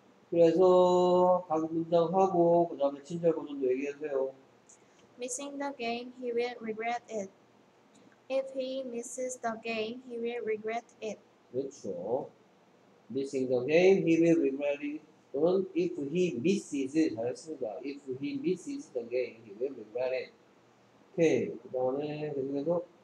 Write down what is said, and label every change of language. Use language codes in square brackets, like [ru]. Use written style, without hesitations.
[ko] 그래서 각 문장 하고 그 다음에 친절 버전도 얘기하세요. [en] Missing the game, he will regret it. If he misses the game, he will regret it. [ko] 그렇죠. [en] Missing the game, he will regret it. [ko] 또는 [en] if he misses it, [ko] 잘했습니다. [en] If he misses the game, he will regret it. [ko] 오케이, 그 다음에 계속해서